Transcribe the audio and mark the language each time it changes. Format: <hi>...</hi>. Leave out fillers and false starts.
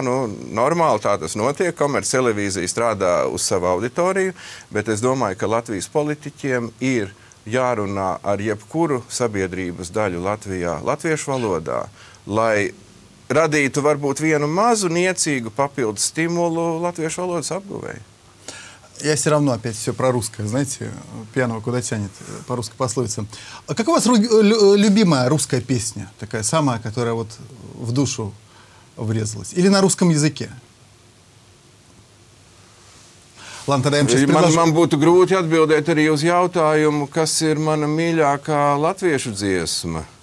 <lv>Nu, normāli tā tas notiek, komerctelevīzija strādā uz savu auditoriju, bet es domāju, ka Latvijas politiķiem ir jārunā ar jebkuru sabiedrības daļu Latvijā, latviešu valodā, lai radītu varbūt vienu mazu niecīgu papildu stimulu latviešu valodas apguvei.</lv> <ru>Я все равно опять все про русское, знаете, пьяного куда тянет, по русской пословице. А как у вас любимая русская песня, такая самая, которая вот в душу врезалась? Или на русском языке?</ru> <lv>Man būtu grūti atbildēt arī uz jautājumu, kas ir mana mīļākā latviešu dziesma.</lv>